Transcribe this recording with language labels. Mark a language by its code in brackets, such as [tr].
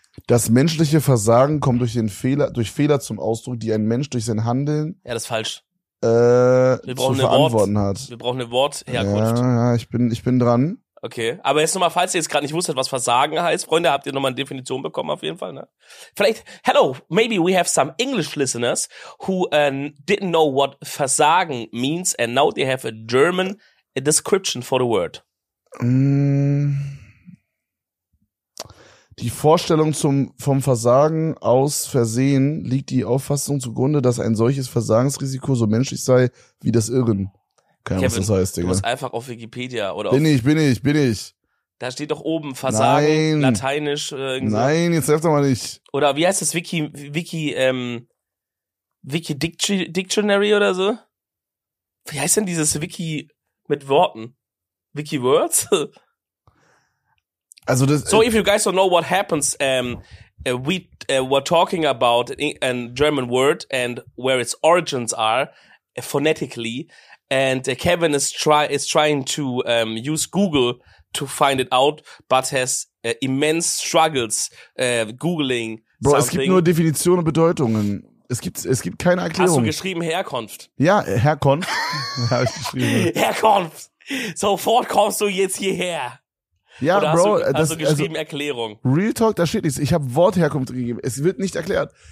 [de] Das menschliche Versagen kommt durch Fehler zum Ausdruck, die ein Mensch durch sein Handeln. Ja, das ist falsch. Wir brauchen eine Wortherkunft. Ja, ich bin dran. Okay, aber jetzt nochmal, falls ihr jetzt gerade nicht wusstet, was Versagen heißt, Freunde, habt ihr nochmal eine Definition bekommen auf jeden Fall, ne? Vielleicht, [en] hello, maybe we have some English listeners who didn't know what Versagen means and now they have a German description for the word. [de] Die Vorstellung vom Versagen aus Versehen liegt die Auffassung zugrunde, dass ein solches Versagensrisiko so menschlich sei wie das Irren. Keine Ahnung, was das heißt, Digga. Du musst einfach auf Wikipedia oder Bin ich. Da steht doch oben Versagen, nein. Lateinisch. Nein, jetzt hilf doch mal nicht. Oder wie heißt das? Wiki Dictionary oder so? Wie heißt denn dieses Wiki mit Worten? Wiki Words? Also das, [en] so if you guys don't know what happens, we're talking about a German word and where its origins are phonetically, and Kevin is trying to use Google to find it out, but has immense struggles googling. Bro, something. [de] Es gibt nur Definitionen und Bedeutungen. Es gibt keine Erklärung. Hast du geschrieben Herkunft? Ja, Herkunft. Habe ich geschrieben. Herkunft. Sofort kommst du jetzt hierher. Ja, oder Bro. Erklärung. [en] Real Talk, [de] da steht nichts. Ich habe Wortherkunft gegeben. Es wird nicht erklärt.